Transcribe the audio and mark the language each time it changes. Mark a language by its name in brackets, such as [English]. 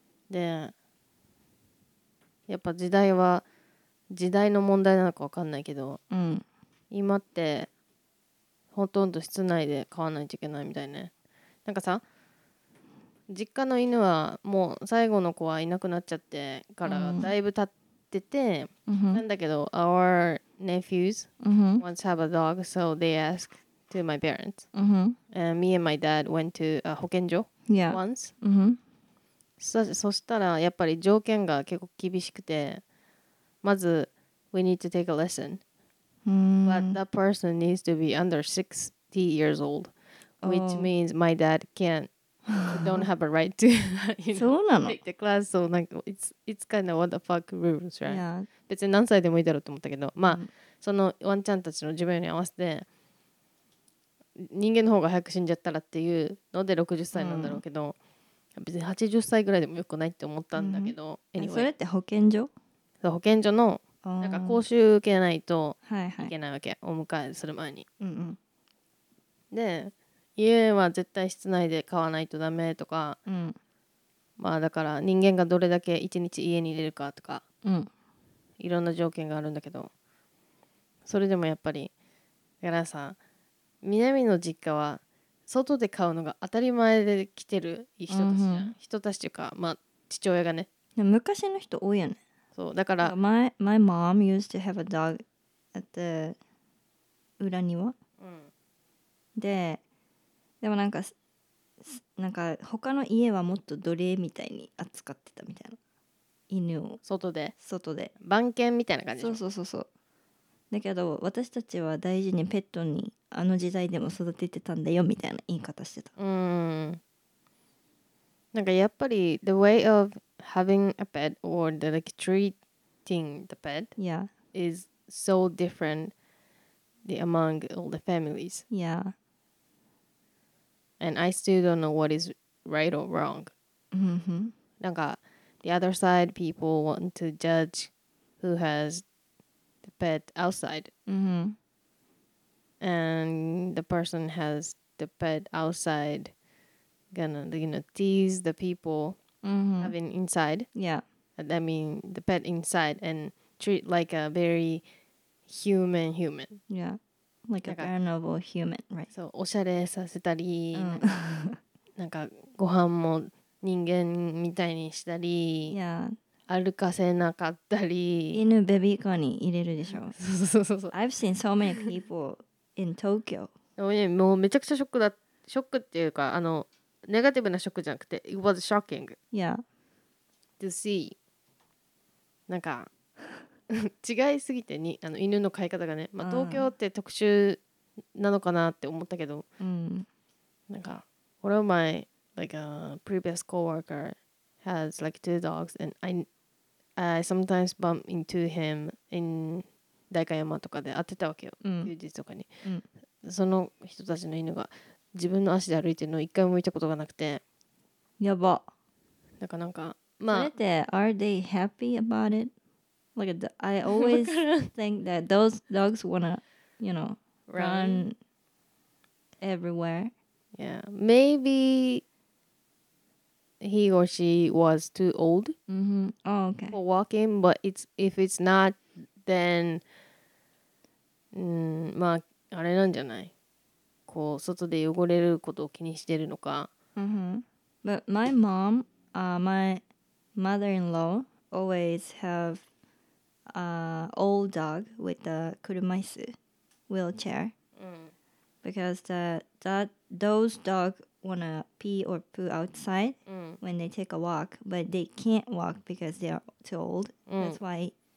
[Japanese] で、やっぱ時代は時代の問題なのか分かんないけど、うん、今ってほとんど室内で飼わないといけないみたいね。なんかさ実家の犬はもう最後の子はいなくなっちゃってからだいぶ経ってて、うん、なんだけど、うん、 [English] Our nephews once have a dog so they ask to my parents、 [Japanese] うん、 [English] and me and my dad went to a 保健所、 yeah. once、 [Japanese] うん、そしたらやっぱり条件が結構厳しくて、まず [English] we need to take a lesson、 mm. but that person needs to be under 60 years old、oh. which means my dad can't don't have a right to you know, take the class so like it's kind of what the fuck rules right、 yeah. [Japanese] 別に何歳でもいいだろうと思ったけど、まあ、mm. そのワンちゃんたちの寿命に合わせて人間の方が早く死んじゃったらっていうので60歳なんだろうけど、mm. 別に80歳ぐらいでもよくないって思ったんだけど、 mm. anyway. それって保健所、保健所のなんか講習受けないといけないわけ、はいはい、お迎えする前に、うんうん、で家は絶対室内で飼わないとダメとか、うん、まあだから人間がどれだけ一日家に入れるかとか、うん、いろんな条件があるんだけど、それでもやっぱりだからさ、南の実家は外で飼うのが当たり前で来てる人たちじゃん、うんうん、人たちというか、まあ父親がね、昔の人多いよね。そうだから [English] my mom used to have a dog at the 裏庭、 [Japanese] うん、でもなんか他の家はもっと奴隷みたいに扱ってたみたいな、犬を外で番犬みたいな感じ。そうだけど私たちは大事にペットにあの時代でも育ててたんだよみたいな言い方してた。なんかやっぱり [English] the way of having a pet or the, like treating the pet、 yeah. is so different the, among all the families. Yeah. And I still don't know what is right or wrong. Mm-hmm. なんか the other side people want to judge who has the pet outside. Mm-hmm. And the person has the pet outside gonna, you know, tease the people、 mm-hmm. having inside. Yeah. I mean, the pet inside and treat like a very human. Yeah. Like a carnival human, right? [Japanese] そう、おしゃれさせたり、なんかご飯も人間みたいにしたり、 [English] yeah. [Japanese] 歩かせなかったり。犬ベビーカーに入れるでしょ。そう。 [English] I've seen so many people in Tokyo. [Japanese] もうめちゃくちゃショックっていうか、ネガティブなショックじゃなくて、 [English] it was shocking. Yeah. To see. [Japanese] なんか、違いすぎてに犬の飼い方がね、まあ、東京って特殊なのかなって思ったけど、なんか [English] one of my like a previous coworker has like two dogs and I sometimes bump into him in [Japanese] 代官山とかで会ってたわけよ、休日とかに、うん、その人たちの犬が自分の足で歩いてるのを一回も見たことがなくて、やば。だからなんか、まあ、それって [English] are they happy about itLike, I always think that those dogs wanna, you know, run everywhere. Yeah, maybe he or she was too old、 mm-hmm. oh, okay. for walking, but if it's not, then, [Japanese] まあ、あれなんじゃない? こう、外で汚れることを気にしてるのか。 Mm-hmm. [English] But my mom, my mother-in-law always have... old dog with the kurumaisu wheelchair、because those dog wanna pee or poo outside、when they take a walk, but they can't walk because they are too old、that's why